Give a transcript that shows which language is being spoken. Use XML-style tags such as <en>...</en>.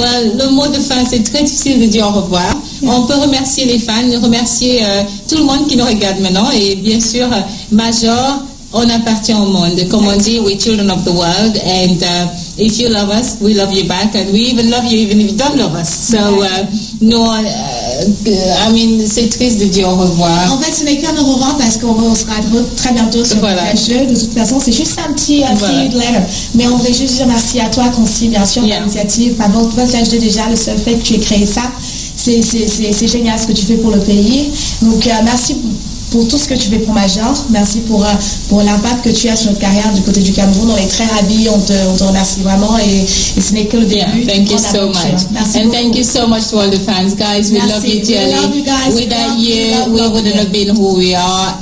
<en>Well,</en> <fr>le mot de fin, c'est très difficile de dire au revoir.</fr> <en>Yeah.</en> <fr>On peut remercier les fans, remercier tout le monde qui nous regarde maintenant et bien sûr, Major, on appartient au monde. Comme on dit,</fr> <en>we're children of the world and if you love us, we love you back and we even love you even if you don't love us. So, I mean,</en> <fr>c'est triste de dire au revoir. En fait, ce n'est qu'un au revoir parce qu'on sera très bientôt sur le jeu. De toute façon, c'est juste un petit</fr> <en>see you later.</en> <fr>Mais on voudrait juste dire merci à toi, Conce, bien sûr, pour l'initiative. Par contre, toi, tu as déjà le seul fait que tu aies créé ça. C'est génial ce que tu fais pour le pays. Donc, merci pour tout ce que tu fais pour Major. Merci pour l'impact que tu as sur notre carrière du côté du Cameroun. On est très ravis. On te remercie vraiment. Et ce n'est que le début.</fr> <en>Thank you so much.</en> <fr>Merci</fr> <en>and thank you so much to all the fans, guys. We love you dearly. We love you guys. Without you, we wouldn't have been who we are.</en>